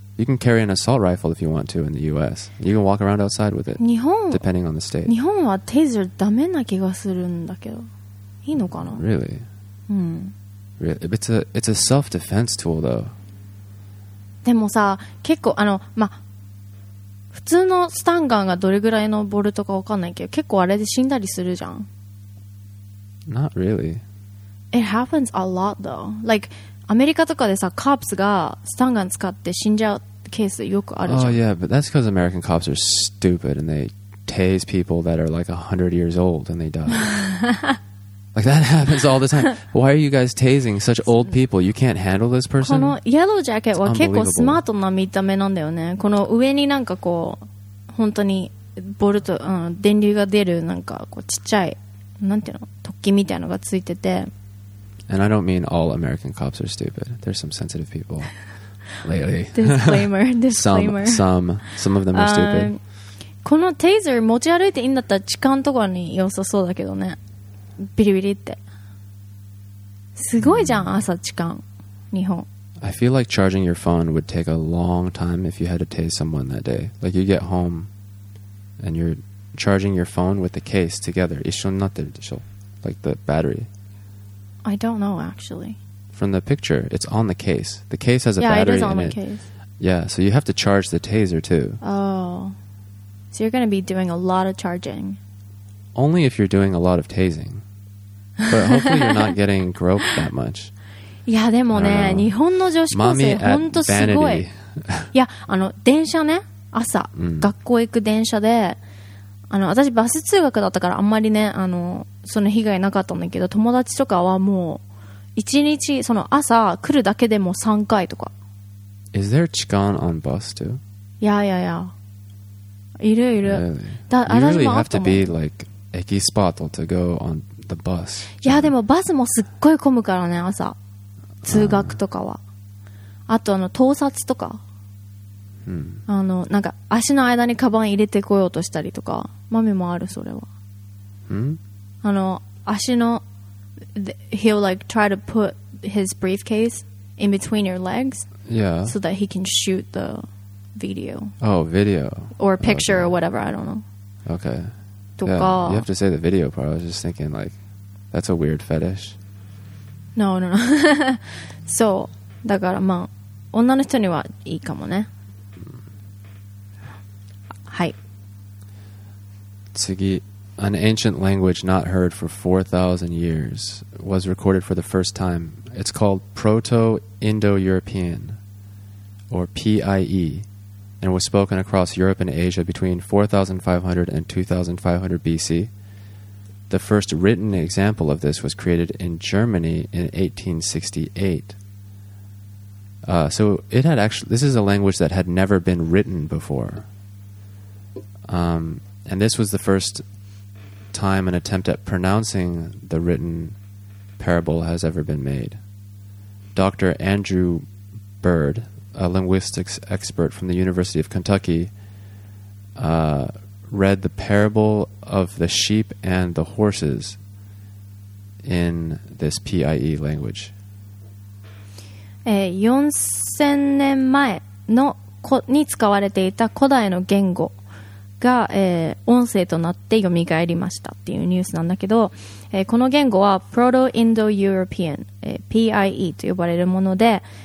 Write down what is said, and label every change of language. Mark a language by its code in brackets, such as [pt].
[en] You can carry an assault rifle if you want to in the US. You can walk around outside with it. [ja] 日本 [en] depending on the state. [ja] 日本はテーザーダメな気がするんだけど。いいのかな? [en] Really? [ja] うん。 [en] Really? It's a self-defense tool, though. [ja] でもさ、結構、あの、ま、普通のスタンガンがどれぐらいのボルトかわかんないけど、結構あれで死んだりするじゃん。 [en] Not really. It happens a lot, though. Like, [ja] アメリカとかでさ、カープスがスタンガン使って死んじゃうケースよくあるじゃん。 [en] Oh, yeah, but that's because American cops are stupid and they tase people that are like 100 years old and they die. Like, that happens all the time. Why are you guys tasing such old people? You can't handle this person? [ja] このイエロージャケットは結構スマートな見た目なんだよね。この上になんかこう、本当にボルト、うん、電流が出るなんかこうちっちゃい、なんていうの、突起みたいなのがついてて。 [en] And I don't mean all American cops are stupid. There's some sensitive people lately. Disclaimer, disclaimer. Some of them are stupid. [ja] このテーザー持ち歩いていいんだったら痴漢とかに良さそうだけどね。ビリビリって。すごいじゃん、朝痴漢。日本。 [en] I feel like charging your phone would take a long time if you had to tase someone that day. Like you get home and you're charging your phone with the case together. [ja] 一緒になってるでしょ。 [en] Like the battery. I don't know, actually. From the picture, it's on the case. The case has a battery in it. Yeah, it is on the case. Yeah, so you have to charge the taser, too. Oh. So you're going to be doing a lot of charging. Only if you're doing a lot of tasing. But hopefully you're not getting groped that much. [ja] Yeah, でもね、日本の女子高生、本当すごい。 [en] Mommy at vanity. [ja] Yeah, あの、電車ね、朝、学校行く電車で、あの、私バス通学だったからあんまりね、あの、その被害なかったんだけど、友達とかはもう1日その朝来るだけでも3回とか。 [en] Is there 痴漢 on bus too? Yeah, yeah, yeah. [ja] いるいる。 [en] Really? You really have to be like エキスパートto go on the bus. [ja] いやでもバスもすっごい混むからね、朝通学とかは。あとあの盗撮とか、あのなんか足の間にカバン入れてこようとしたりとか、豆もある、それは。あの足の [en] he'll like try to put his briefcase in between your legs, yeah, so that he can shoot the video. Oh, video. Or picture, okay. Or whatever, I don't know. Okay. [ja] とか、 [en] yeah. You have to say the video part. I was just thinking like that's a weird fetish. No, no, no. [ja] そうだから、まあ女の人にはいいかもね。次、 [en] an ancient language not heard for 4,000 years was recorded for the first time. It's called Proto-Indo-European, or PIE, and was spoken across Europe and Asia between 4,500 and 2,500 BC. The first written example of this was created in Germany in 1868. So it had actually, this is a language that had never been written before. And this was the first time an attempt at pronouncing the written parable has ever been made. Dr. Andrew Bird, a linguistics expert from the University of Kentucky, read the parable of the sheep and the horses in this PIE language. [ja] 4000年前のこに使われていた古代の言語が、音声となって蘇りましたっていうニュースなんだけど、この言語は Proto-Indo-European、PIE と呼ばれるもので、